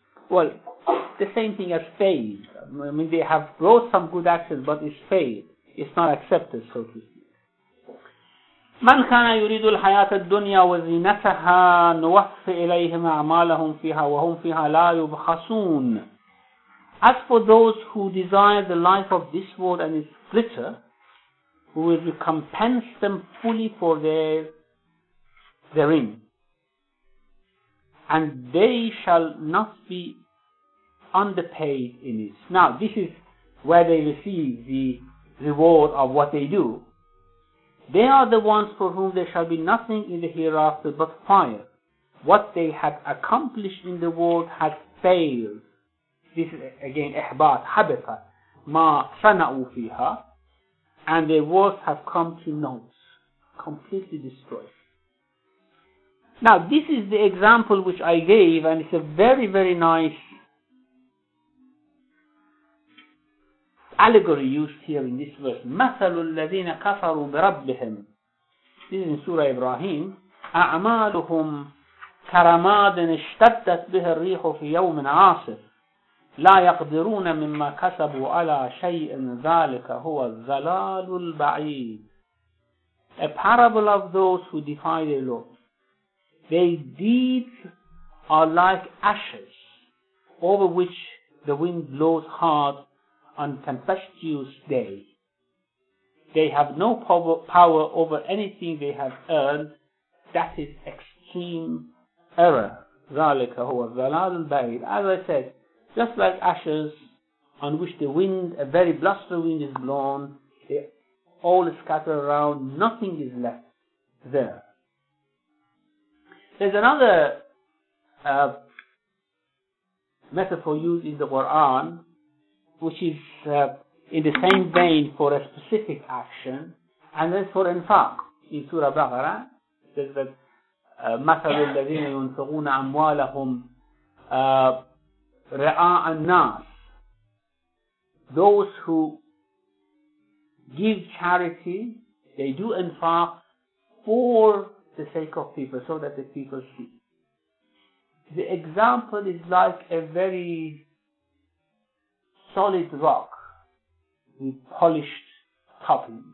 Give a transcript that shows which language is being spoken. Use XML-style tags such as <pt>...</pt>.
<en>Well, the same thing as faith. I mean, they have brought some good actions, but it's faith. It's not accepted, so to speak.</en> <ar>من كان يريد الحياة الدنيا وزينتها نوفي إليهم أعمالهم فيها وهم فيها لا يبخسون.</ar> <en>As for those who desire the life of this world and its glitter, we will recompense them fully for therein. And they shall not be underpaid in it. Now, this is where they receive the reward of what they do. They are the ones for whom there shall be nothing in the hereafter but fire. What they had accomplished in the world had failed. This is again,</en> <ar>إحباط, حبطة, ما صنعوا فيها,</ar> <en>and their works have come to naught, completely destroyed. Now, this is the example which I gave, and it's a very, very nice allegory used here in this verse.</en> <ar>مَثَلُ الَّذِينَ كَفَرُوا بِرَبِّهِمْ.</ar> <en>This is in Surah Ibrahim.</en> <ar>أَعْمَالُهُمْ كَرَمَادٍ اشْتَدَّتْ بِهَا الرِّيحُ فِي يَوْمٍ عَاصِفٍ لا يقدرون مما كسبوا على شيء ذلك هو الظلال البعيد.</ar> <en>A parable of those who defy the Lord. Their deeds are like ashes over which the wind blows hard on tempestuous day. They have no power over anything they have earned. That is extreme error.</en> <ar>ذلك هو الظلال البعيد.</ar> <en>As I said, just like ashes on which the wind, a very blustery wind is blown, they all scatter around, nothing is left there. There's another metaphor used in the Quran, which is in the same vein for a specific action, and that's for infaq in Surah Baqarah. It says that</en> <ar>مَثَلُ الَّذِينَ يُنْفِقُونَ أَمْوَالَهُمْ رَآءَ النَّاسِ.</ar> <en>Those who give charity, they do infaq for the sake of people, so that the people see. The example is like a very solid rock with polished top.</en>